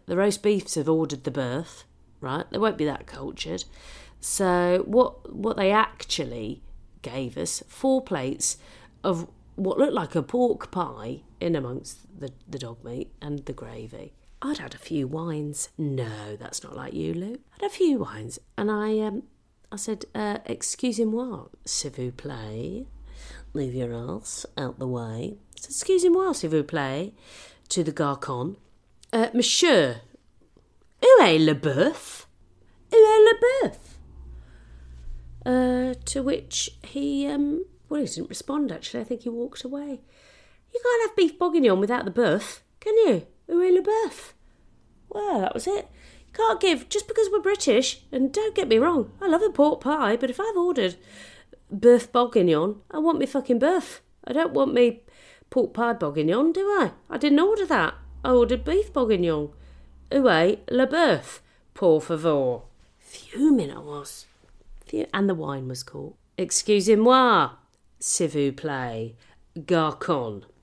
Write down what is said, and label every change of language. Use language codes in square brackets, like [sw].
[en] The roast beefs have ordered the birth, right? They won't be that cultured. So what they actually gave us, four plates of what looked like a pork pie in amongst the dog meat and the gravy. I'd had a few wines. No, that's not like you, Lou. Had a few wines. And I said, [fr] excusez-moi, s'il vous plaît. [en] leave your arse out the way. So [fr] excusez-moi, s'il vous plaît, [en] to the garcon. [fr] Monsieur, où est le bœuf? Où est le bœuf? [en] To which he, he didn't respond, actually. I think he walked away. You can't have beef bourguignon without the bœuf, can you? [fr] Où est le bœuf? [en] Well, that was it. You can't give, just because we're British, and don't get me wrong, I love a pork pie, but if I've ordered bœuf bourguignon, I want me fucking bœuf. I don't want me pork pie bourguignon, do I? I didn't order that. I ordered beef bourguignon. [fr] Où est le bœuf, pour favor? [en] Fuming I was. And the wine was caught. [fr] Excusez-moi, s'il vous plaît, garcon.